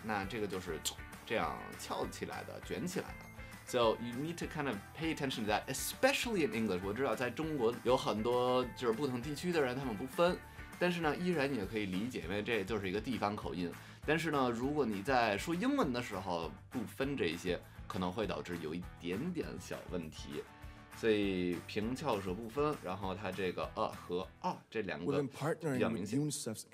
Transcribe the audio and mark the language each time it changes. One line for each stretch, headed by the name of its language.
Chinese: 那这个就是这样翘起来的，卷起来的。
English: So you need to kind of pay attention to that, especially in English.
Chinese: 我知道在中国有很多就是不同地区的人，他们不分，但是呢，依然也可以理解，因为这就是一个地方口音。但是呢，如果你在说英文的时候不分这些，可能会导致有一点点小问题，所以平翘舌不分，然后它这个和这两个比较明显。